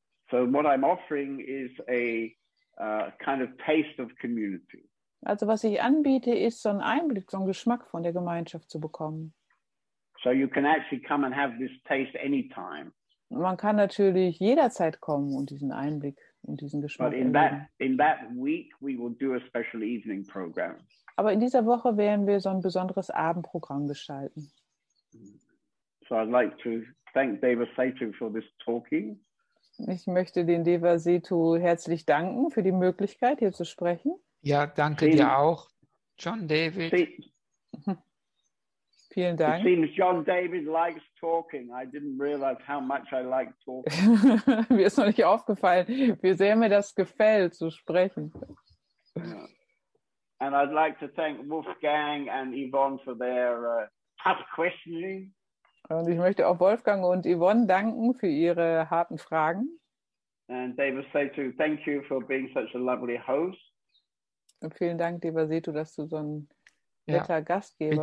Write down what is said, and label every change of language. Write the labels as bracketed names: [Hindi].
[English] So what I'm offering is a kind of taste of community. [German] Also was ich anbiete, ist so ein Einblick, so ein Geschmack von der Gemeinschaft zu bekommen. [English] So you can actually come and have this taste anytime. [German] Man kann natürlich jederzeit kommen und diesen Einblick und diesen Geschmack erleben. [English] But in that week we will do a special evening program. [German] Aber in dieser Woche werden wir so ein besonderes Abendprogramm gestalten. [English] So I'd like to thank David Satu for this talking. [German] Ich möchte den Deva Setu herzlich danken für die Möglichkeit, hier zu sprechen. Ja, danke dir auch, John David. Vielen Dank. [English] It seems John David likes talking. I didn't realize how much I like talking. [German] Mir ist noch nicht aufgefallen, wie sehr mir das gefällt, zu sprechen. [English] And I'd like to thank Wolfgang and Yvonne for their tough questioning. [German] Und ich möchte auch Wolfgang und Yvonne danken für ihre harten Fragen. [English] And David Satu, thank you for being such a lovely host. [German] Und vielen Dank, Deva Setu, dass du so ein netter Gastgeber